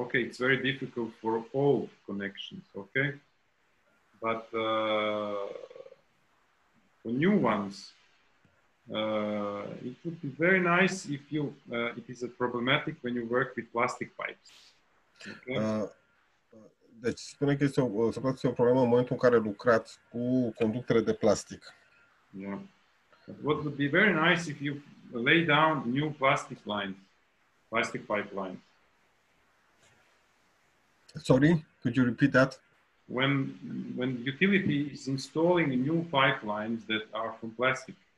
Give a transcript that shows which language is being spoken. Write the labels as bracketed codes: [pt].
[en] Okay, it's very difficult for all connections, okay? But for new ones, it would be very nice if you, it is a problematic when you work with plastic pipes. [ro] Deci spune că este o, să spune că este o problemă în momentul în care lucrați cu conductele de plastic. [en] Yeah. What would be very nice if you lay down new plastic lines, plastic pipeline. Sorry, could you repeat that? When utility is installing new pipelines that are from plastic.